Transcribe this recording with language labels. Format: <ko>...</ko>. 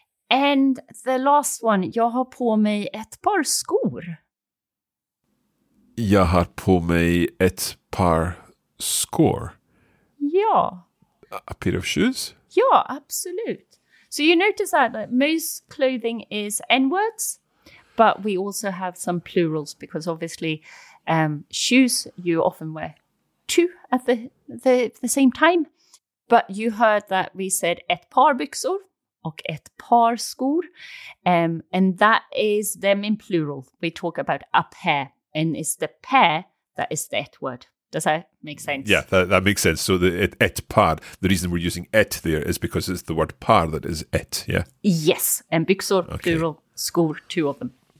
<en>And the last one,</en> <sv>jag har på mig ett par skor. Jag har på mig ett par skor. Ja.</sv> <en>A pair of shoes?</en> <sv>Ja, absolut.</sv> <en>So you notice that most clothing is N-words, but we also have some plurals because obviously shoes you often wear two at the same time. But you heard that we said</en> <sv>ett par byxor och ett par skor.</sv> <en>And that is them in plural. We talk about a pair and it's the pair that is the N-word. Does that make sense? Yeah, that makes sense. So the et par, the reason we're using et there is because it's the word par that is et, yeah? Yes, and byxor, okay. Plural, skor, two of them.</en>